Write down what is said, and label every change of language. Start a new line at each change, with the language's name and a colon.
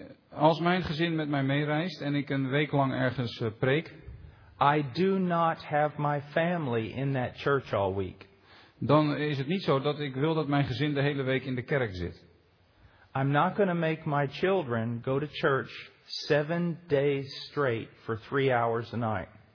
Dutch: Als mijn gezin met mij meereist en ik een week lang ergens preek.
English: I do not have my family in that church all week.
Dutch: Dan is het niet zo dat ik wil dat mijn gezin de hele week in de kerk zit.
English: I'm not going to make my children go to church 7 days straight for 3 hours a night.